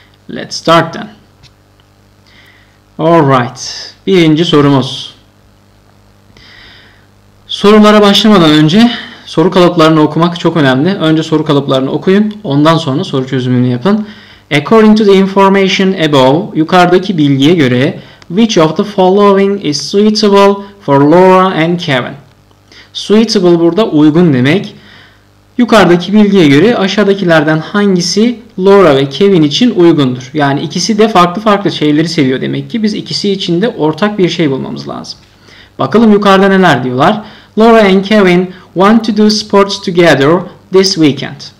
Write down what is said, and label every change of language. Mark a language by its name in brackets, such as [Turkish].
[English] Let's start then. Alright. [Turkish] Birinci sorumuz. Sorulara başlamadan önce soru kalıplarını okumak çok önemli. Önce soru kalıplarını okuyun, ondan sonra soru çözümünü yapın. [English] According to the information above, [Turkish] yukarıdaki bilgiye göre, [English] which of the following is suitable for Laura and Kevin? [Turkish] Suitable burada uygun demek. Yukarıdaki bilgiye göre aşağıdakilerden hangisi Laura ve Kevin için uygundur? Yani ikisi de farklı farklı şeyleri seviyor demek ki biz ikisi için de ortak bir şey bulmamız lazım. Bakalım yukarıda neler diyorlar. [English] Laura and Kevin want to do sports together this weekend.